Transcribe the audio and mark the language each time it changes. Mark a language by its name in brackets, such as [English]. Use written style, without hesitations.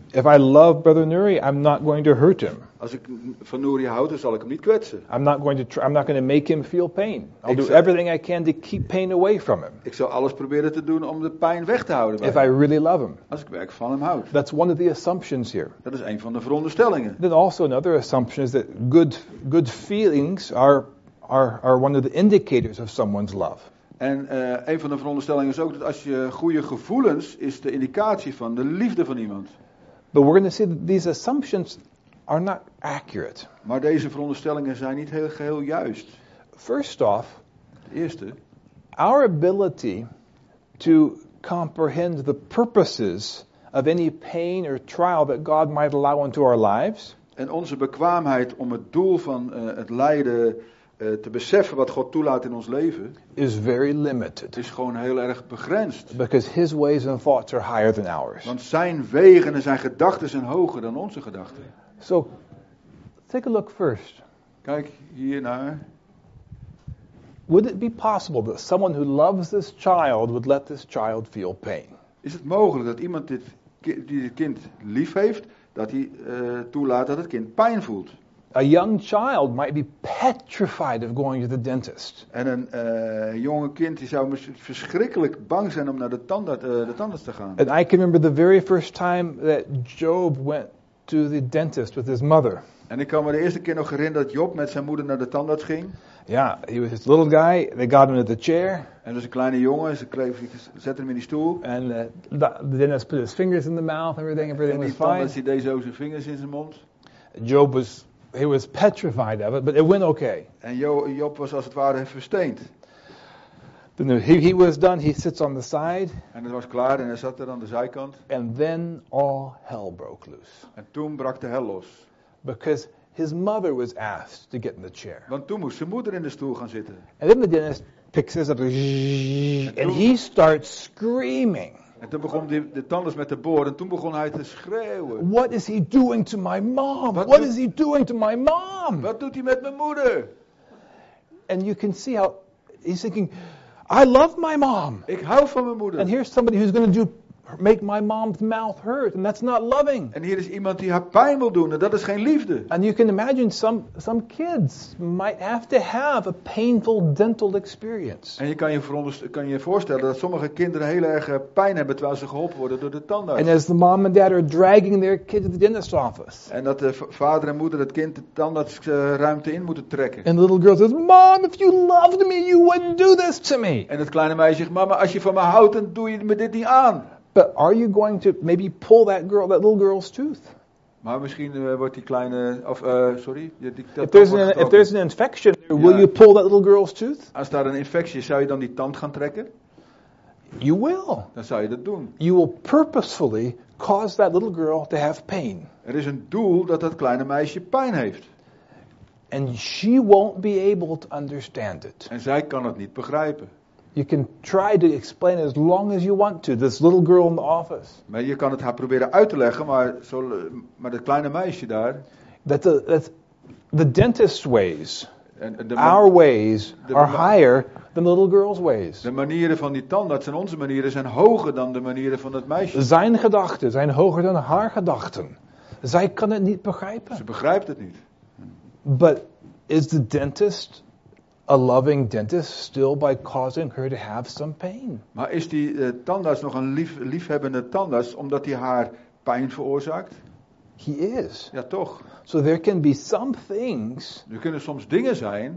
[English] If I love Brother Nuri, I'm not going to hurt him. [Dutch] Als ik van Nuri houd, dan zal ik hem niet kwetsen. [English] I'm not going to make him feel pain. I'll do everything I can to keep pain away from him. [Dutch] Ik zal alles proberen te doen om de pijn weg te houden. [English] If I really love him. [Dutch] Als ik werkelijk van hem houd. [English] That's one of the assumptions here. [Dutch] Dat is een van de veronderstellingen. [English] Then also another assumption is that good feelings are one of the indicators of someone's love. [Dutch] En een van de veronderstellingen is ook dat als je goede gevoelens is de indicatie van de liefde van iemand. [English] But we're going to see that these assumptions are not accurate. [Dutch] Maar deze veronderstellingen zijn niet geheel juist. [English] First off, [Dutch] de eerste, [English] our ability to comprehend the purposes of any pain or trial that God might allow into our lives. [Dutch] En onze bekwaamheid om het doel van het lijden te beseffen wat God toelaat in ons leven [English] is very limited. [Dutch] Is gewoon heel erg begrensd. [English] Because his ways and thoughts are higher than ours. [Dutch] Want zijn wegen en zijn gedachten zijn hoger dan onze gedachten. [English] So, take a look first. [Dutch] Kijk hiernaar. [English] Would it be possible that someone who loves this child would let this child feel pain? [Dutch] Is het mogelijk dat iemand dit kind lief heeft, dat hij toelaat dat het kind pijn voelt? [English] A young child might be petrified of going to the dentist. [Dutch] En een jonge kind die zou verschrikkelijk bang zijn om naar de tandarts te gaan. [English] And I can remember the very first time that Job went to the dentist with his mother. [Dutch] En ik kan me de eerste keer nog herinneren dat Job met zijn moeder naar de tandarts ging. [English] Yeah, he was this little guy. They got him at the chair. [Dutch] En dat is een kleine jongen. Ze zetten hem in die stoel. [English] And the dentist put his fingers in the mouth. Everything was fine. [Dutch] En die tandarts deed zo zijn vingers in zijn mond. [English] Job was He was petrified of it, but it went okay. And Job was, as it were, [Dutch] versteend. [English] Then he was done. He sits on the side. And it was [Dutch] klaar, [English] and he sat there on the [Dutch] zijkant. [English] And then all hell broke loose. [Dutch] En toen brak de hel los. [English] Because his mother was asked to get in the chair. [Dutch] Want toen moest zijn moeder in de stoel gaan zitten. [English] And then the dentist picks his up, and he starts screaming. [Dutch] En toen begon de tandarts met de boor en toen begon hij te schreeuwen. [English] What is he doing to my mom? What is he doing to my mom? [Dutch] Wat doet hij met mijn moeder? [English] And you can see how he's thinking, I love my mom. [Dutch] Ik hou van mijn moeder. [English] And here's somebody who's going to make my mom's mouth hurt, and that's not loving. [Dutch] En hier is iemand die haar pijn wil doen, en dat is geen liefde. [English] And you can imagine some kids might have to have a painful dental experience. [Dutch] En je kan je voorstellen dat sommige kinderen heel erg pijn hebben terwijl ze geholpen worden door de tandarts. [English] And as the mom and dad are dragging their kid to the dentist office. [Dutch] En dat de vader en moeder het kind de tandartsruimte in moeten trekken. [English] And the little girl says, "Mom, if you loved me, you wouldn't do this to me." [Dutch] En het kleine meisje zegt, "Mama, als je van me houdt, dan doe je me dit niet aan." [English] But are you going to maybe pull that little girl's tooth? [Dutch] Maar misschien wordt die kleine [English] if there's an infection, will you pull that little girl's tooth? [Dutch] Als daar een infectie is, zou je dan die tand gaan trekken? [English] You will. [Dutch] Dan zou je dat doen. [English] You will purposefully cause that little girl to have pain. [Dutch] Er is een doel dat kleine meisje pijn heeft. [English] And she won't be able to understand it. [Dutch] En zij kan het niet begrijpen. [English] You can try to explain as long as you want to. This little girl in the office. [Dutch] Maar je kan het haar proberen uit te leggen, maar zo, maar dat kleine meisje daar. [English] That the dentist's ways, our ways, are higher than the little girl's ways. [Dutch] De manieren van die tandarts en onze manieren zijn hoger dan de manieren van het meisje. Zijn gedachten zijn hoger dan haar gedachten. Zij kan het niet begrijpen. Ze begrijpt het niet. [English] But is the dentist a loving dentist still by causing her to have some pain? [Dutch] Maar is die tandarts nog een liefhebbende tandarts omdat hij haar pijn veroorzaakt? [English] He is. [Dutch] Ja, toch. [English] So there can be some things. [Dutch] Er kunnen soms dingen zijn.